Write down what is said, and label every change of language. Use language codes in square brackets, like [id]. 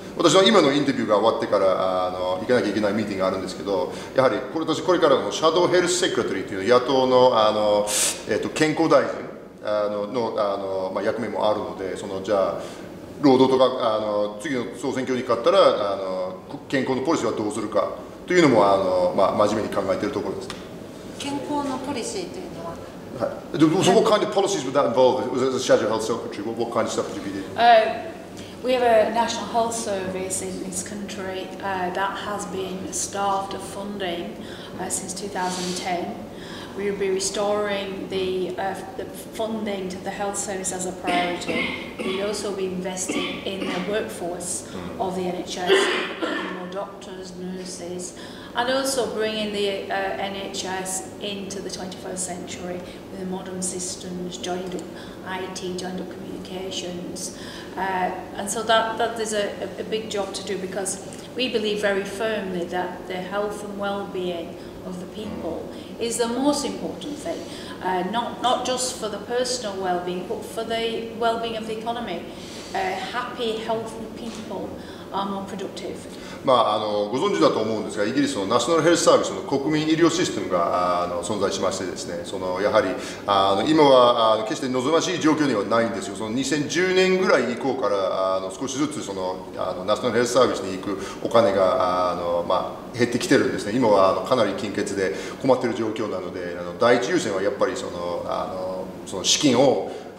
[ja] 私は今のインタビューが終わってから行かなきゃいけないミーティングがあるんですけど、やはり私これからのシャドーヘルスセクレトリーという野党 の健康大臣まあ、役目もあるので、そのじゃあ労働とか次の総選挙に勝ったら健康のポリシーはどうするかというのも、まあ、真面目に考えているところです。健康のポリシーというのは、 [en] はい、What kind of policies would that involve? Was it the Shadow Health Secretary? What kind of stuff would you be doing? We have a National Health Service in this country that has been starved of funding since 2010. We will be restoring the funding to the health service as a priority. We will also be investing in the workforce of the NHS, more doctors, nurses, and also bringing the NHS into the 21st century with the modern systems, joined up IT, joined up communications. And so that is a big job to do, because we believe very firmly that the health and well-being of the people is the most important thing, not just for the personal well-being, but for the well-being of the economy. Happy, healthy people are more productive. [ja] まあ、ご存知だと思うんですが、イギリスのナショナルヘルスサービスの国民医療システムが存在しましてですね、そのやはり今は決して望ましい状況ではないんですよ。その2010年ぐらい以降から少しずつそのナショナルヘルスサービスに行くお金がまあ、減ってきてるんですね。今はかなり貧血で困っている状況なので、第一優先はやっぱりその資金を